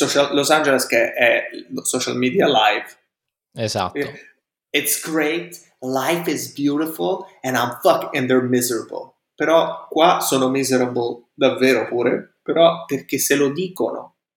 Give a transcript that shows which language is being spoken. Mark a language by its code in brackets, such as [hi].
[it] Los Angeles che è lo social media live. Esatto. [en] It's great, life is beautiful, and I'm and they're miserable. [it] Però qua sono miserable davvero pure, però perché se lo dicono.